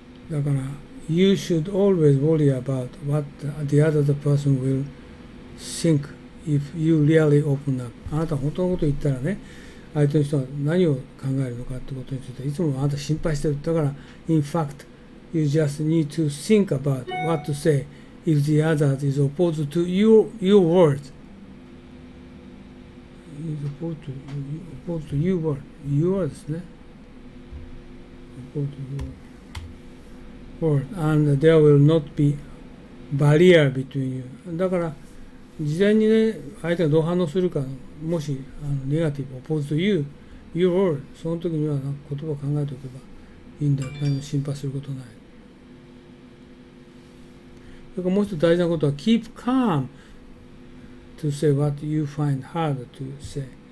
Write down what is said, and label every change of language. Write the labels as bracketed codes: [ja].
[en] だから You should always worry about what the other person will think if you really open up。 [ja] あなた本当のこと言ったらね、相手の人は何を考えるのかってことについていつもあなた心配してる。 [en] だから In fact, you just need to think about what to say if the other is opposed to your words。 Is opposed to your word。 Your ですね。 Opposed to your word。 And there will not be barrier between you。 [ja] だから事前にね、相手がどう反応するか、もしネガティブ、オポズと言う、言う、その時には言葉を考えておけばいいんだ、何も心配することない。それからもう一つ大事なことは、 [en] keep calm to say what you find hard to say。